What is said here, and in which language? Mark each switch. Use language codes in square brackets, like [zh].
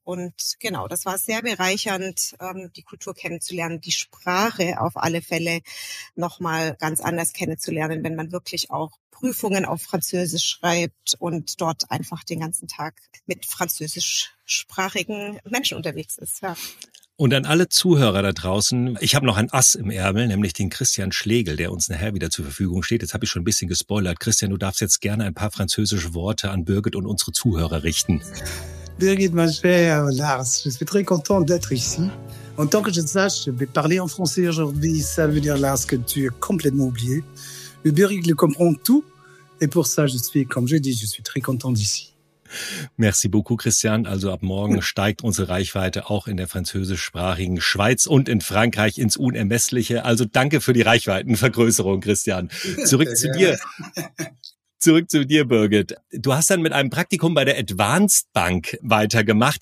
[de] Und genau, das war sehr bereichernd, die Kultur kennenzulernen, die Sprache auf alle Fälle nochmal ganz anders kennenzulernen, wenn man wirklich auch Prüfungen auf Französisch schreibt und dort einfach den ganzen Tag mit französischsprachigen Menschen unterwegs ist. Ja. Und an alle Zuhörer da draußen, ich habe noch ein Ass im Ärmel, nämlich den Christian Schlegel, der uns nachher wieder zur Verfügung steht. Jetzt habe ich schon ein bisschen gespoilert. Christian, du darfst jetzt gerne ein paar französische Worte an Birgit und unsere Zuhörer richten. [fr] Birgit, ma chère Lars, je suis très content d'être ici. En tant que je sache, je vais parler en français aujourd'hui, ça veut dire Lars que tu es complètement oublié. Mais Birgit le comprend tout et pour ça, je suis, comme je dis, je suis très content d'ici. Merci beaucoup, Christian. [de] Also ab morgen steigt unsere Reichweite auch in der französischsprachigen Schweiz und in Frankreich ins Unermessliche. Also danke für die Reichweitenvergrößerung, Christian. Zurück zu dir. Zurück zu dir, Birgit. Du hast dann mit einem Praktikum bei der Advanced Bank weitergemacht.